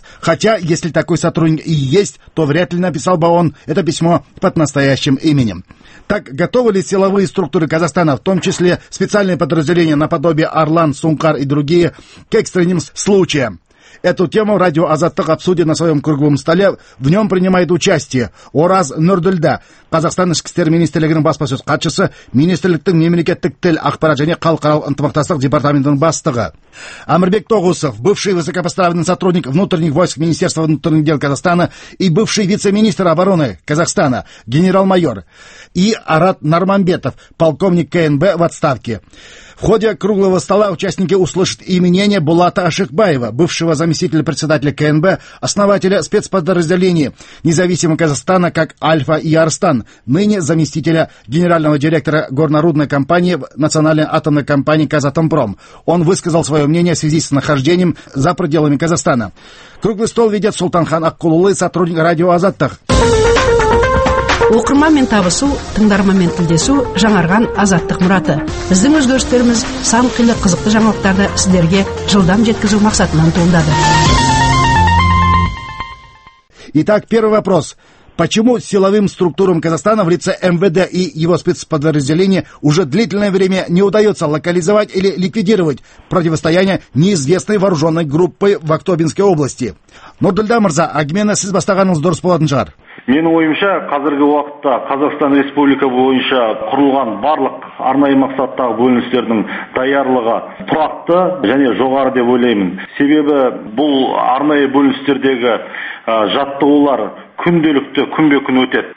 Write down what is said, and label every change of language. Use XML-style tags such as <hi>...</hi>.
<ru>Хотя, если такой сотрудник и есть, то вряд ли написал бы он это письмо под настоящим именем. Так, готовы ли силовые структуры Казахстана, в том числе специальные подразделения наподобие «Арлан», «Сункар» и другие, к экстренным случаям? Эту тему радио «Азаттык» обсудит на своем круглом столе.</ru> <kk>В нем принимает участие Ораз Нурдельда, Казахстан ішкі істер министрлігінің баспасөз хатшысы, министрліктің мемлекеттік тіл, ақпарат және халықаралық ынтымақтастық департаментінің бастығы.</kk> <ru>Амирбек Тогусов, бывший высокопоставленный сотрудник внутренних войск Министерства внутренних дел Казахстана и бывший вице-министр обороны Казахстана, генерал-майор. И Арат Нарманбетов, полковник КНБ в отставке. В ходе круглого стола участники услышат и мнение Булата Ашыкбаева, бывшего заместителя председателя КНБ, основателя спецподразделений независимого Казахстана как Альфа и Арстан, ныне заместителя генерального директора горнорудной компании Национальной атомной компании «Казатомпром». Он высказал свое мнение в связи с нахождением за пределами Казахстана. Круглый стол ведет Сұлтанхан Аққолұлы, сотрудник радио «Азаттық».</ru> <kk>Оқырманмен табысу, тыңдарманмен тілдесу жаңарған азаттық мұраты. Біздің өзгерістеріміз сан қилы қызықты жаңалықтарды сіздерге жылдам жеткізу мақсатынан туындады.</kk> <ru>Итак, первый вопрос. Почему силовым структурам Казахстана в лице МВД и его спецподразделения уже длительное время не удается локализовать или ликвидировать противостояние неизвестной вооруженной группы в Актобинской области?</ru> <kk>Нурдельда Мырза, Агмена сіз бастағаныңыз дұрыс болатын шығар. Менің ойымша, қазіргі уақытта Қазақстан Республика бойынша құрылған барлық арнайы мақсаттағы бөліністердің даярлығы тұрақты және жоғары деп ойлаймын. Себебі бұл арнайы бөліністердегі жаттығулар күнделікті күнбе-күн өтеді.</kk>